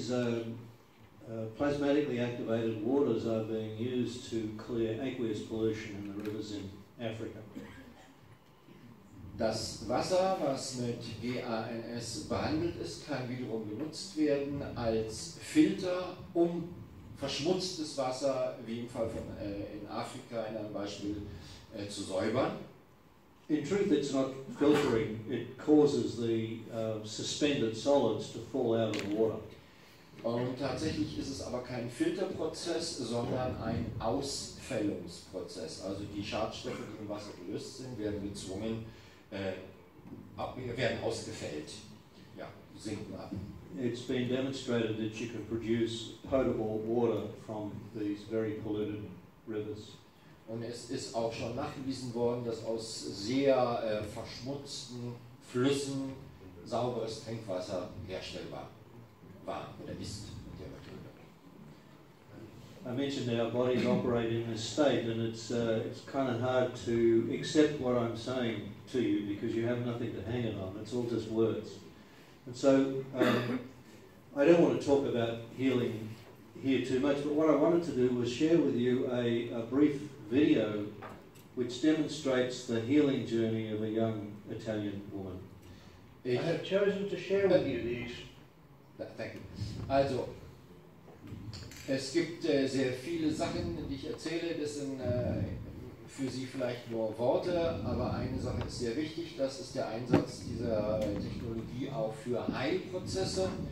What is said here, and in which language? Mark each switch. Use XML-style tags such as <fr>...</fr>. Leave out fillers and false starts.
<en>These plasmatically activated waters are being used to clear aqueous pollution in the rivers in Africa.</en> <de>Das Wasser, was mit GANS behandelt ist, kann wiederum genutzt werden als Filter, um verschmutztes Wasser, wie im Fall von in Afrika in einem Beispiel, zu säubern.</de> <en>In truth, it's not filtering. It causes the suspended solids to fall out of the water.</en> <de>Und tatsächlich ist es aber kein Filterprozess, sondern ein Ausfällungsprozess. Also die Schadstoffe, die im Wasser gelöst sind, werden gezwungen, werden ausgefällt, ja, sinken ab.</de> <en>It's been demonstrated that you can produce potable water from these very polluted rivers.</en> <de>Und es ist auch schon nachgewiesen worden, dass aus sehr verschmutzten Flüssen sauberes Trinkwasser herstellbar war oder ist.</de> <en>I mentioned that our bodies operate in this state, and it's kind of hard to accept what I'm saying to you because you have nothing to hang it on. It's all just words. And so I don't want to talk about healing here too much, but what I wanted to do was share with you a brief video which demonstrates the healing journey of a young Italian woman. I have chosen to share with you these. Thank you.</en> <de>Also, es gibt sehr viele Sachen, die ich erzähle. Das sind für Sie vielleicht nur Worte, aber eine Sache ist sehr wichtig. Das ist der Einsatz dieser Technologie auch für Heilprozesse.</de>